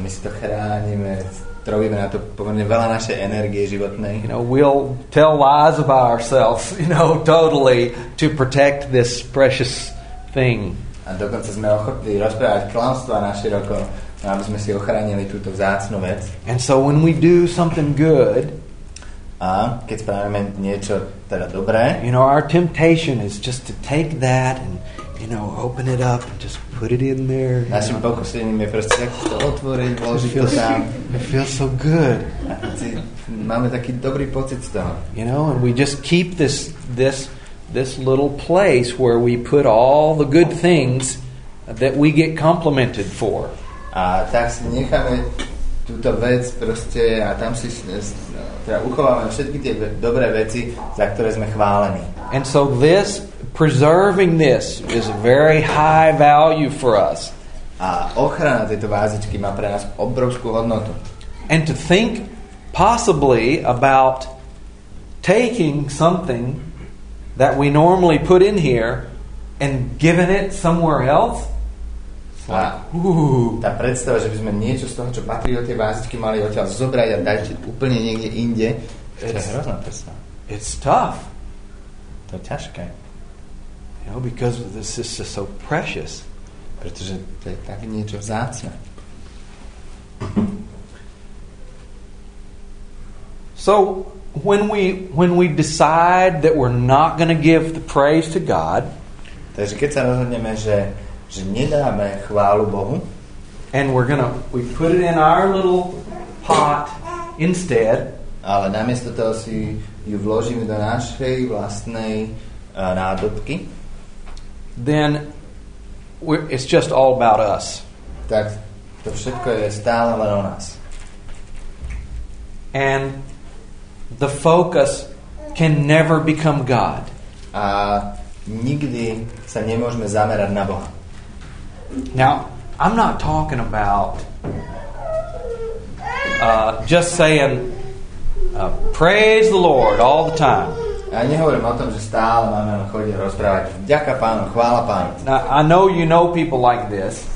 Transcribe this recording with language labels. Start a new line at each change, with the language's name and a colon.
Slovak: A my si to chránime, trobíme na to pomerne veľa našej energie životnej.
English: You know, we'll tell lies about ourselves, you know, totally to protect this precious thing.
Slovak: A dokonca sme ochotní rozprávať klamstva naširoko, aby sme si ochránili túto vzácnu vec.
English: And so when we do something good,
Slovak: a keď spravíme niečo teda dobré,
English: you know, our temptation is just to take that and, you know, open it up and just put it in there.
Slovak: Našim pokusením je proste tak to otvoriť, vložiť to tam.
English: It feels so good.
Slovak: Máme taký dobrý pocit z toho.
English: You know, and we just keep this little place where we put all the good things that we get complimented for.
Slovak: A tak si necháme túto vec proste a tam si teda uchováme všetky tie dobré veci, za ktoré sme chválení.
English: And so this, preserving this is very high value for us.
Slovak: A ochrana tejto vázičky má pre nás obrovskú hodnotu.
English: And to think possibly about taking something that we normally put in here and giving it somewhere else.
Slovak: Tá predstava, že by sme niečo z toho, čo patrí do tej vázičky, mali odtiaľ zobrať a dať úplne niekde inde. To je hrozná predstava.
English: It's tough.
Slovak: To je ťažké.
English: You know, because this is so precious.
Slovak: Pretože to je tak niečo vzácne.
English: So, when we decide that we're not going to give the praise to God,
Slovak: takže keď sa rozhodneme, že nedáme chválu Bohu.
English: And we put it in our little pot instead.
Slovak: Ale namiesto toho si ju vložíme do našej vlastnej nádobky.
English: Then it's just all about us.
Slovak: Tak to všetko je stále len o nás.
English: And the focus can never become God.
Slovak: A nikdy sa nemôžeme zamerať na Boha.
English: Now, I'm not talking about just saying praise the Lord all the time.
Slovak: Ja nehovorím o tom, že stále máme chodiť rozprávať ďaká Pánu, chvála Pánu.
English: Now, I know you know people like this.